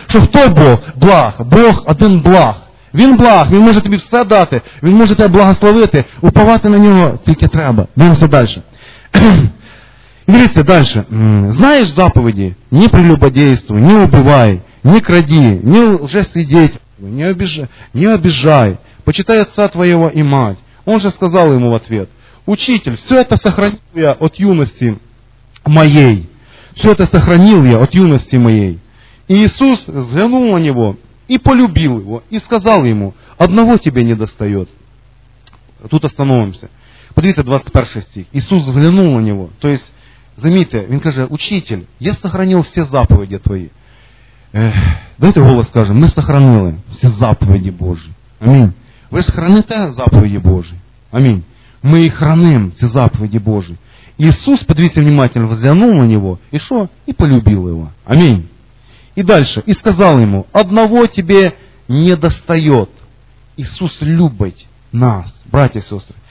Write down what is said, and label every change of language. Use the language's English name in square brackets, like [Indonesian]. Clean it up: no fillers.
[Ukrainian] Що хто Бог? Благ. Бог один благ. Він благ. Він може тобі все дати. Він може тебе благословити. Уповати на нього тільки треба. Дивимося далі. Дивіться далі. Знаєш заповіді? Ні прелюбодійству, ні убивай, ні краді, ні лжесвідетельству, ні обіжай. Ні обіжай. [Russian] Почитай отца твоего и мать. Он же сказал ему в ответ, учитель, все это сохранил я от юности моей. Все это сохранил я от юности моей. И Иисус взглянул на него и полюбил его. И сказал ему, одного тебе не достает. Тут остановимся. Посмотрите 21 стих. Иисус взглянул на него. То есть, заметьте, он говорит, учитель, я сохранил все заповеди твои. Давайте голос скажем, мы сохранили все заповеди Божьи. Аминь. [Ukrainian] Ви ж храните заповіді Божі. Амінь. Ми їх храним, ці заповіді Божі. Ісус, подивіться внимательно, взглянув на нього, і що? І полюбив його. Амінь. І далі. І сказав йому, [Russian] одного тебе не достает. [Ukrainian] Ісус любить нас, браті і сестри.